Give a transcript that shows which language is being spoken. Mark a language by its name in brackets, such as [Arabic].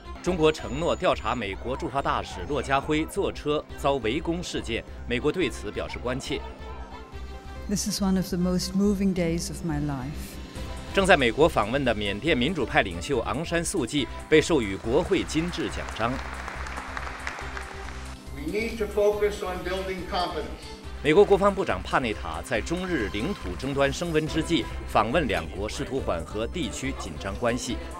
[Chinese] 中国承诺调查美国驻华大使骆家辉坐车遭围攻事件，美国对此表示关切。 [English] This is one of the most moving days of my life. [Chinese] 正在美国访问的缅甸民主派领袖昂山素季被授予国会金质奖章。 [English] We need to focus on building confidence. [Chinese] 美国国防部长帕内塔在中日领土争端升温之际访问两国，试图缓和地区紧张关系。